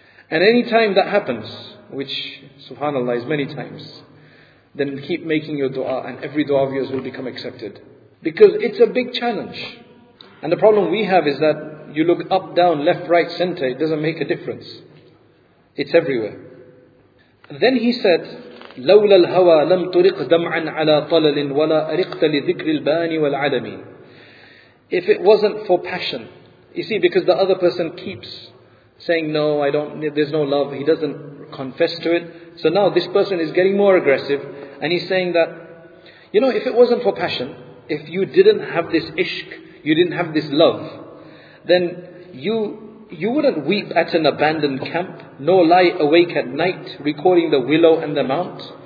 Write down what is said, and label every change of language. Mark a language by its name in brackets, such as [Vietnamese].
[English] And any time that happens, which subhanAllah is many times, then keep making your dua, and every dua of yours will become accepted. Because it's a big challenge. And the problem we have is that you look up, down, left, right, center, it doesn't make a difference. It's everywhere. [Arabic] Then he said, لَوْلَا الْهَوَى لَمْ تُرِقْ دَمْعًا عَلَىٰ طَلَلٍ وَلَا أَرِقْتَ لِذِكْرِ الْبَانِ وَالْعَلَمِ. [English] If it wasn't for passion, you see, because the other person keeps saying, no, I don't, there's no love, he doesn't confess to it. So now this person is getting more aggressive, and he's saying that, you know, if it wasn't for passion, if you didn't have this ishq, you didn't have this love, then you wouldn't weep at an abandoned camp, nor lie awake at night recording the willow and the mount.